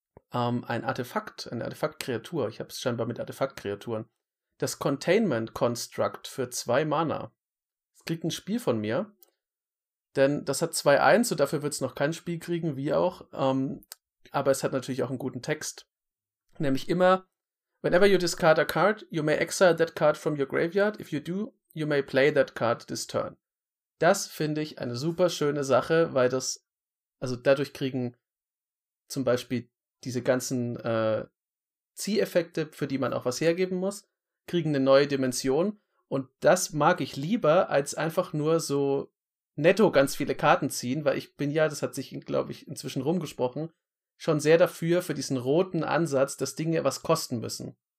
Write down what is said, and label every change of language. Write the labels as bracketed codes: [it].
[de] Ein Artefakt, eine Artefaktkreatur. Ich habe es scheinbar mit Artefaktkreaturen. Das Containment Construct für 2 Mana. Es kriegt ein Spiel von mir, denn das hat 2/1 und dafür wird es noch kein Spiel kriegen, wie auch. Aber es hat natürlich auch einen guten Text. Nämlich immer, [en] whenever you discard a card, you may exile that card from your graveyard. If you do, you may play that card this turn. [de] Das finde ich eine super schöne Sache, weil das, also dadurch kriegen zum Beispiel diese ganzen Zieheffekte, für die man auch was hergeben muss, kriegen eine neue Dimension. Und das mag ich lieber, als einfach nur so netto ganz viele Karten ziehen, weil ich bin ja, das hat sich, glaube ich, inzwischen rumgesprochen, schon sehr dafür, für diesen roten Ansatz, dass Dinge was kosten müssen.